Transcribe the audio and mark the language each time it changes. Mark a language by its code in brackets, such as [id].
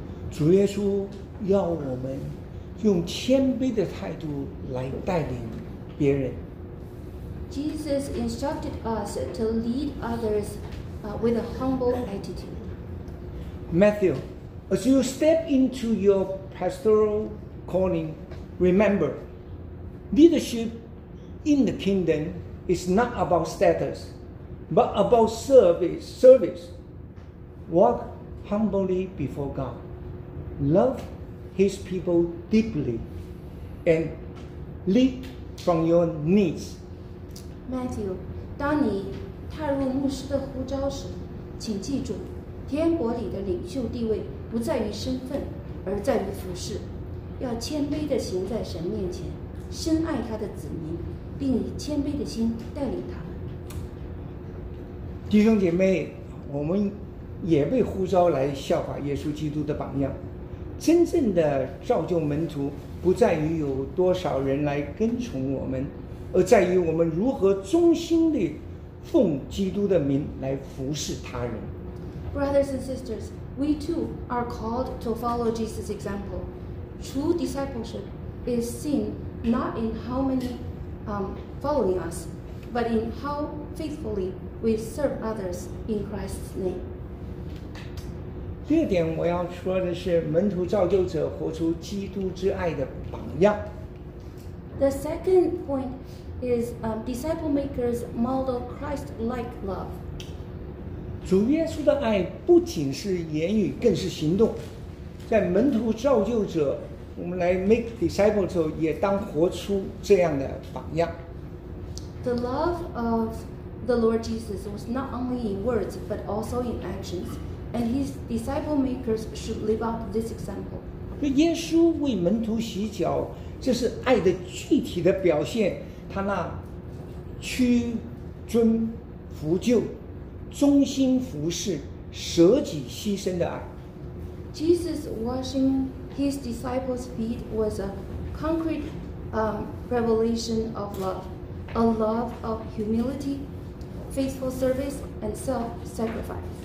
[zh] 主耶稣要我们用谦卑的态度来带领别人。 [en] Jesus instructed us to lead others with a humble attitude. Matthew, as you step into your pastoral calling, remember, leadership in the kingdom is not about status, but about service. Walk humbly before God. Love his people deeply and lead from your needs. [zh] Matthew, 当你踏入牧师的呼召时，请记住，天国里的领袖地位不在于身份，而在于服事。要谦卑地行在神面前，深爱他的子民，并以谦卑的心带领他们。弟兄姐妹，我们也被呼召来效法耶稣基督的榜样。真正的造就门徒，不在于有多少人来跟从我们，而在于我们如何忠心地奉基督的名来服侍他人。 [en] Brothers and sisters, we too are called to follow Jesus' example. True discipleship is seen not in how many following us, but in how faithfully we serve others in Christ's name. [zh] 第二点我要说的是，门徒造就者活出基督之爱的榜样。 [en] The second point is disciple makers model Christ-like love. [zh] 主耶稣的爱不仅是言语，更是行动。在门徒造就者，我们来 [en] make disciples [zh] 时候，也当活出这样的榜样。 [en] The love of the Lord Jesus was not only in words but also in actions. And his disciple makers should live up this example. [zh] 所以耶稣为门徒洗脚，这是爱的具体的表现。他那屈尊服旧、忠心服侍、舍己牺牲的爱。 [en] Jesus washing his disciples' feet was a concrete revelation of love, a love of humility, faithful service, and self-sacrifice.